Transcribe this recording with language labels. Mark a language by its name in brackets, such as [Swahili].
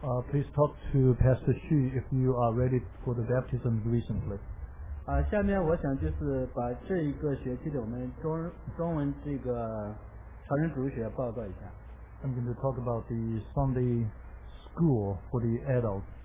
[English] Please talk to Pastor Xu if you are ready for the baptism recently. [Chinese] 下面我想就是把这一个学期的我们中文这个朝圣主日学报告一下。 [English] I'm going to talk about the Sunday school for the adults.